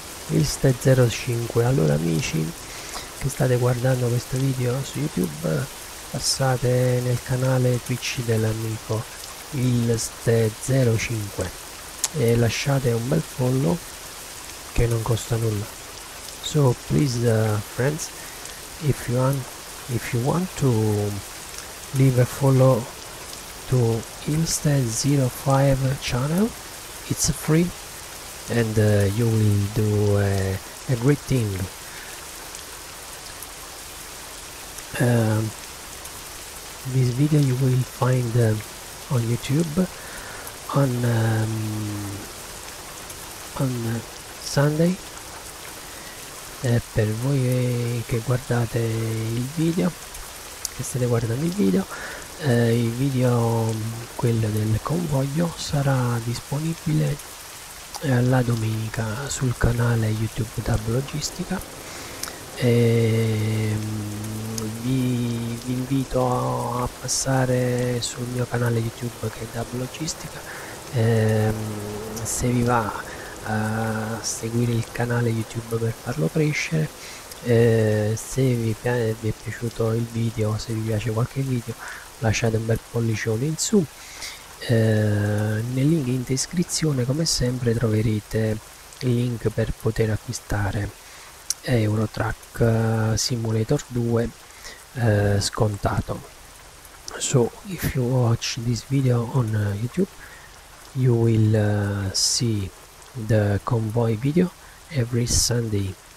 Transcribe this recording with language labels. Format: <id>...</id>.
<it>Ilste05, allora amici, state guardando questo video su YouTube, passate nel canale Twitch dell'amico il Ste05 e lasciate un bel follow che non costa nulla.</it> <en>So please friends, if you want to leave a follow to Ilste05 channel, it's free and you will do a great thing. This video you will find on YouTube on Sunday.</en> <it>Per voi che guardate il video, che state guardando il video, il video, quello del convoglio, sarà disponibile la domenica sul canale YouTube Dub Logistica. E vi invito a passare sul mio canale YouTube che è Dub Logistica, se vi va a seguire il canale YouTube per farlo crescere. Se vi è piaciuto il video, se vi piace qualche video, lasciate un bel pollicione in su. Nel link in descrizione, come sempre, troverete il link per poter acquistare Euro Truck Simulator 2 scontato.</it> <en>So if you watch this video on YouTube, you will see the convoy video every Sunday.</en>